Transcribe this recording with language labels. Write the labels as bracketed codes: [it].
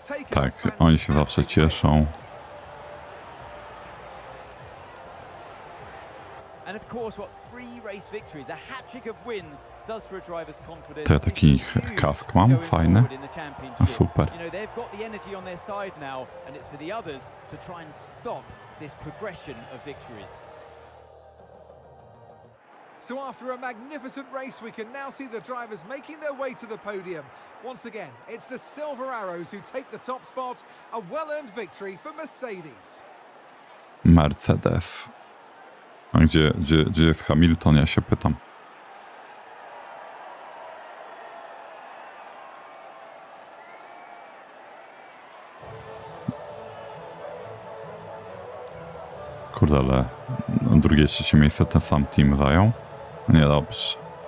[pl] Tak, oni się zawsze cieszą. [en] of course, what three race victories, a hat-trick of wins, does for a driver's confidence. [pl] To ja taki kask mam, fajny. A super. [en] You know, they've got the energy on their side now, and it's for the others to try and stop this progression of victories. So after a magnificent race, we can now see the drivers making their way to the podium. Once again, it's the Silver Arrows who take the top spot. A well-earned victory for Mercedes. Mercedes. [pl] A gdzie jest Hamilton, ja się pytam. Kurde, ale drugie trzecie miejsce ten sam team zajął. Nie, dobrze.